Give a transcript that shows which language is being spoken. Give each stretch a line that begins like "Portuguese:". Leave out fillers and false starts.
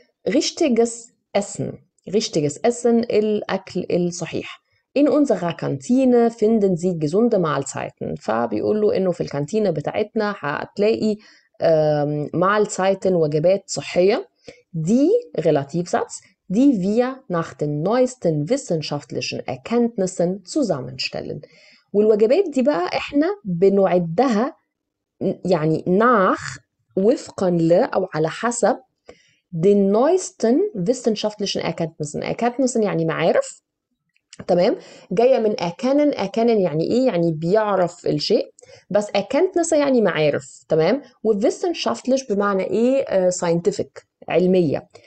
German: richtiges Essen, richtiges Essen,
Arabic: الأكل الصحيح.
German: In unserer Kantine finden Sie gesunde Mahlzeiten.
Arabic: فبيقول له انه في الكانتينه بتاعتنا هتلاقي Mahlzeiten, وجبات صحيه.
German: Die, Relativsatz, die wir nach den neuesten wissenschaftlichen Erkenntnissen zusammenstellen.
Arabic: والوجبات دي بقى احنا بنعدها يعني nach وفقا ل او على حسب
German: den neuesten wissenschaftlichen Erkenntnissen.
Arabic: Erkenntnissen يعني معارف، تمام، جاية من erkennen. erkennen يعني ايه؟ يعني بيعرف الشيء، بس erkenntnisse يعني معارف، تمام، و wissenschaftlich بمعنى ايه؟ scientific، علمية.